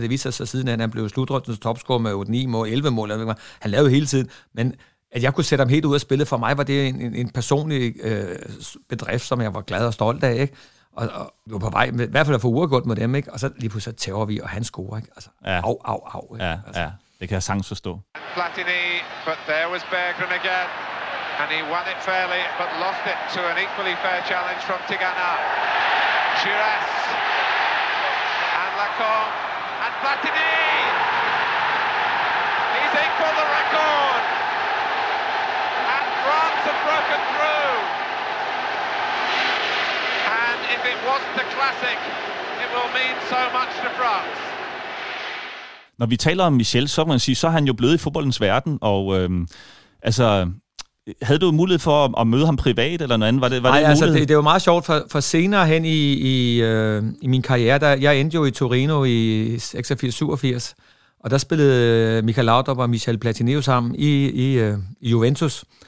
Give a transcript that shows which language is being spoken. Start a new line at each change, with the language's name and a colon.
Danish: Det viste sig siden, at han blev slutrundens topscorer med 8-9 mål, 11 mål. Han lavede hele tiden, men at jeg kunne sætte ham helt ud og spille, for mig var det en personlig bedrift, som jeg var glad og stolt af, ikke? Og vi var på vej, med, i hvert fald at få uregået med dem, ikke? Og så lige pludselig tæver vi, og han scorer, ikke? Altså, ja. Au, ikke? Ja, altså. Ja, det kan jeg sagtens forstå.
English: Platini, but there was Berggren again, and he won it fairly, but lost it to an equally fair challenge from Tigana. Giras, and Lacombe, and Platini! He's equal the record! And France have broken through! If it wasn't a classic, it will mean so much to France.
Danish: Når vi taler om Michel, så må man sige, så er han jo blevet i fodboldens verden, og altså, havde du mulighed for at møde ham privat eller noget andet? Det var meget sjovt, for senere hen i min karriere, der jeg endte jo i Torino i 86-87, og der spillede Michael Laudrup og Michel Platini sammen i Juventus.